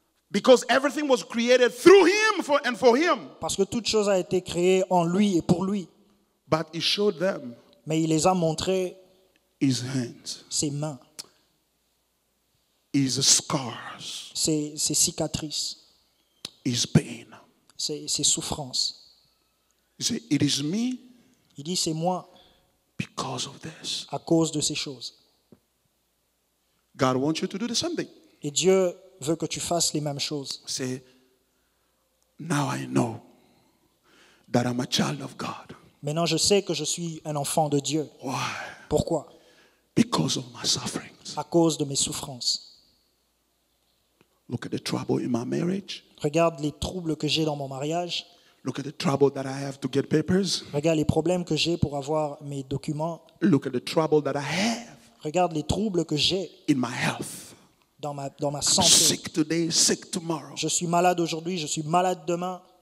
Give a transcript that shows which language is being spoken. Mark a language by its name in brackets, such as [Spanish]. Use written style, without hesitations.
[English] Because everything was created through him for, and for him. [French] Parce que toute chose a été créée en lui et pour lui. [English] But he showed them, [French] mais il les a montré, [English] his hands, [French] ses mains, [English] his scars, [French] ses cicatrices, [English] his pain, [French] ses souffrances. [English] He said, it is me, [French] il dit, c'est moi, [English] because of this, [French] à cause de ces choses. [English] God wants you to do the same thing. [French] Et Dieu veut que tu fasses les mêmes choses. [English] Say, now I know that I'm a child of God. [French] Maintenant, je sais que je suis un enfant de Dieu. [English] Why? [French] Pourquoi? [English] Because of my sufferings. [French] À cause de mes souffrances. [English] Look at the trouble in my marriage. [French] Regarde les troubles que j'ai dans mon mariage. [English] Look at the trouble that I have to get papers. [French] Regarde les problèmes que j'ai pour avoir mes documents. [English] Look at the trouble that I have. [French] Regarde les troubles que j'ai [English] in my health. [French] Dans ma santé. [English] Sick today, sick tomorrow. [French] Je suis malade aujourd'hui, je suis malade demain.